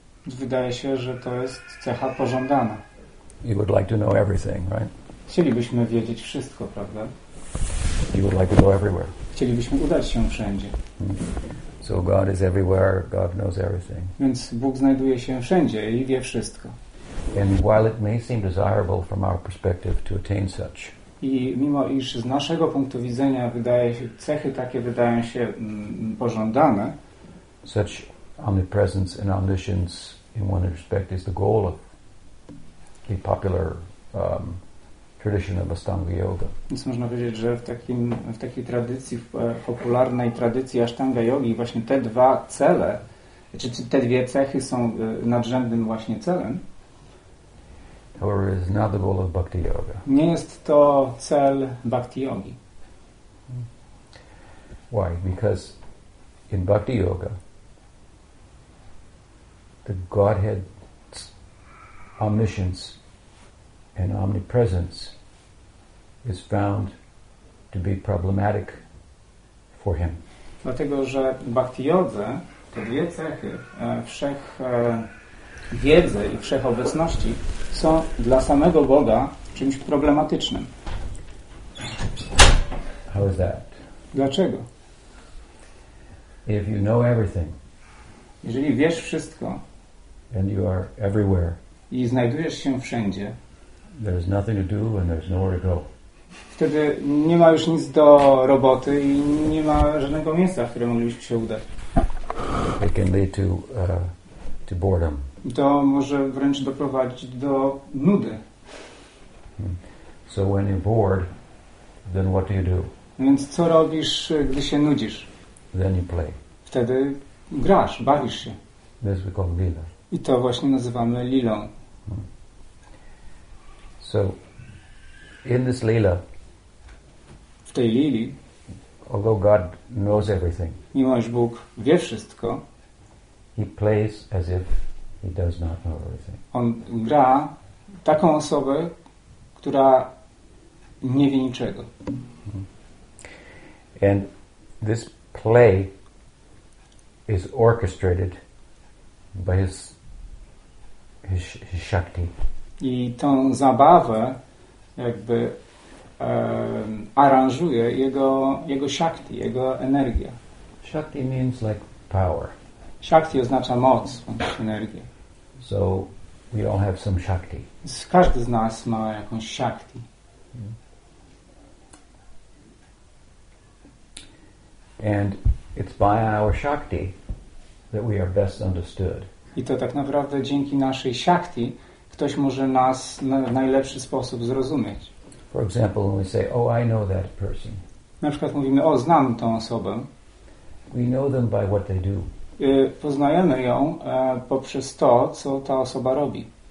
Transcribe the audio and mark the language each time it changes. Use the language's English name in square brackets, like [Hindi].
[Polish] Wydaje się, że to jest cecha pożądana. [English] You would like to know everything, right? [Polish] Chcielibyśmy wiedzieć wszystko, prawda? [English] You would like to go everywhere. [Polish] Chcielibyśmy udać się wszędzie. [English] So God is everywhere, God knows everything. [Polish] Więc Bóg znajduje się wszędzie i wie wszystko. [English] And while it may seem desirable from our perspective to attain such. [Polish] I mimo iż z naszego punktu widzenia wydaje się, cechy takie wydają się pożądane. [English] Such omnipresence and omniscience in one respect is the goal of the popular tradition of Ashtanga Yoga. [Polish] Więc można powiedzieć, że w popularnej tradycji Ashtanga Yogi właśnie te dwa cele, czy te dwie cechy są nadrzędnym właśnie celem. [English] Or is not the goal of Bhakti Yoga. [Polish] Nie jest to cel Bhakti Yogi. [English] Why? Because in Bhakti Yoga the Godhead's omniscience and omnipresence is found to be problematic for him. [Polish] Dlatego, że w Bhakti Yodze te dwie cechy wszechwiedzy i wszechobecności są dla samego Boga czymś problematycznym. [English] How is that? [Polish] Dlaczego? [English] If you know everything, [Polish] jeżeli wiesz wszystko [English] and you are everywhere, [Polish] i znajdujesz się wszędzie, [English] there's nothing to do and there's nowhere to go. [Polish] Wtedy nie ma już nic do roboty i nie ma żadnego miejsca, w które moglibyście się udać. [English] It can lead to boredom. [Polish] To może wręcz doprowadzić do nudy. [English] So when you're bored, then what do you do? [Polish] Więc co robisz, gdy się nudzisz? [English] Then you play. [Polish] Wtedy grasz, bawisz się. [English] This we call Leela. [Polish] I to właśnie nazywamy Leelą. [English] So in this Leela, [Polish] w tej Leeli, [English] although God knows everything, [Polish] mimo iż Bóg wie wszystko, [English] he plays as if he does not know everything. [Polish] On gra taką osobę, która nie wie niczego. [English] And this play is orchestrated by his Shakti. [Polish] I tą zabawę jakby aranżuje jego Shakti, jego energia. [English] Shakti means like power. [Polish] Shakti oznacza moc, energię. [English] So we all have some Shakti. [Polish] Każdy z nas ma jakąś Shakti. [English] And it's by our Shakti that we are best understood. [Polish] I to tak naprawdę dzięki naszej Shakti ktoś może nas w najlepszy sposób zrozumieć. [English] For example, when we say, oh, I know that person. [Polish] Na przykład mówimy, o, znam tą osobę. [English] We know them by what they do. [Polish] Poznajemy ją poprzez to, co ta osoba robi.